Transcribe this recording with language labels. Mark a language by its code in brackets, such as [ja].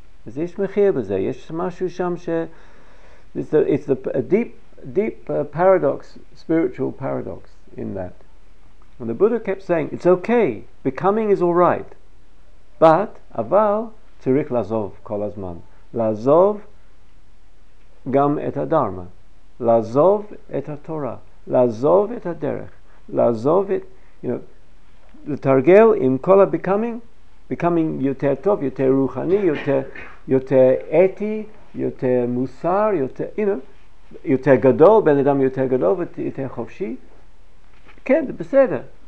[he] אז יש מחיר בזה, יש משהו שם ש... [en] It's a deep paradox, spiritual paradox in that. And the Buddha kept saying, it's okay, becoming is all right. [he] But, aval, צריך לעזוב כל הזמן. לעזוב גם את הדרמה. לעזוב את התורה. לעזוב את הדרך. לעזוב את, you know, לתרגל עם כל ה-becoming, becoming יותר טוב, יותר רוחני, יותר אתי, יותר מוסר, יותר, you know, יותר גדול, בן אדם יותר גדול ויותר חופשי. כן, זה בסדר.